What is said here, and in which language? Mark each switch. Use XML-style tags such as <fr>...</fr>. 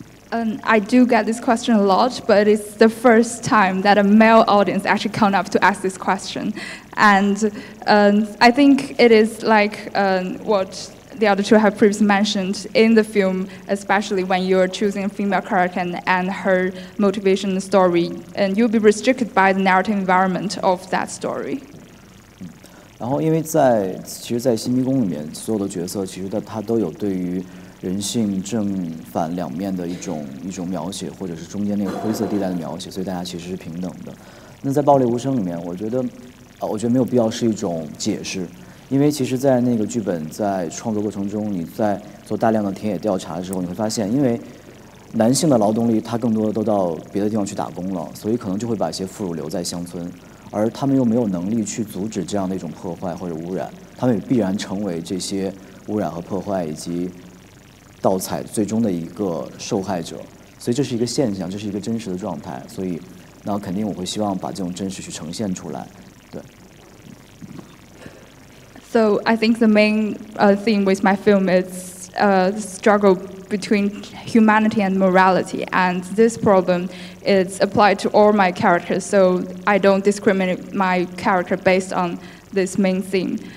<en>I do get this question a lot, but it's the first time that a male audience actually come up to ask this question, and I think it is like what the other two have previously mentioned in the film, especially when you're choosing a female character and her motivation story, and you'll be restricted by the narrative environment of that story.</en> <zh>然后因为在其实在新迷宫里面所有的角色其实它都有对于人性正反两面的一种描写，或者是中间那个灰色地带的描写，所以大家其实是平等的。那在暴力无声里面，我觉得没有必要是一种解释，因为其实在那个剧本在创作过程中，你在做大量的田野调查的时候，你会发现因为男性的劳动力他更多的都到别的地方去打工了，所以可能就会把一些妇孺留在乡村，而他们又没有能力去阻止这样的一种破坏或者污染，他们也必然成为这些污染和破坏以及盗采最终的一个受害者，所以这是一个现象，这是一个真实的状态，所以那肯定我会希望把这种真实去呈现出来。</zh> <en>So I think the main theme with my film is the struggle between humanity and morality, and this problem is applied to all my characters, so I don't discriminate my character based on this main theme.</en>